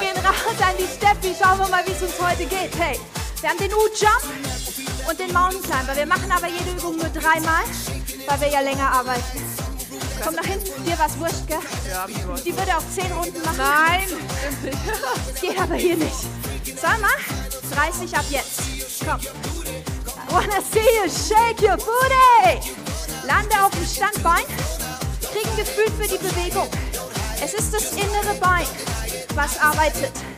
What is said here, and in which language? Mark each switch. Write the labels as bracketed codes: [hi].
[de] Gehen raus an die Steffi. Schauen wir mal, wie es uns heute geht. Hey, wir haben den U-Jump und den Mountain Climber. Wir machen aber jede Übung nur dreimal, weil wir ja länger arbeiten. Komm nach hinten, dir war's wurscht, gell? Ja, die würde auch 10 Runden machen. Nein! Das geht aber hier nicht. Sag mal, 30 ab jetzt. Komm. [en] I wanna see you shake your booty! [de] Lande auf dem Standbein. Krieg ein Gefühl für die Bewegung. Es ist das innere Bein, was arbeitet.